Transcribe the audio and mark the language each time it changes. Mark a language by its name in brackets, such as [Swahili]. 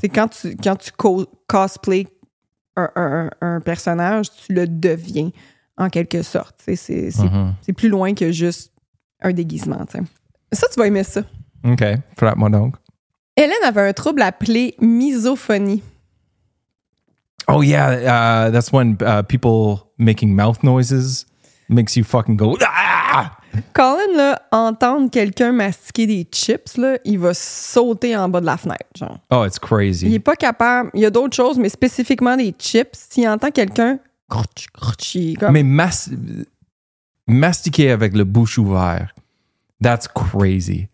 [French] C'est quand tu cosplay un personnage, tu le deviens. En quelque sorte. C'est plus loin que juste un déguisement. T'sais. Ça, tu vas aimer ça. OK. Frappe-moi donc. Hélène avait un trouble appelé misophonie. [English] Oh yeah, that's when people making mouth noises makes you fucking go... Ah! [French] Colin, là, entendre quelqu'un mastiquer des chips, là, il va sauter en bas de la fenêtre. Genre. [English] Oh, it's crazy. [French] Il n'est pas capable. Il y a d'autres choses, mais spécifiment des chips. S'il entend quelqu'un... Comme. Mais mastiquer avec le bouche ouverte, [English] that's crazy.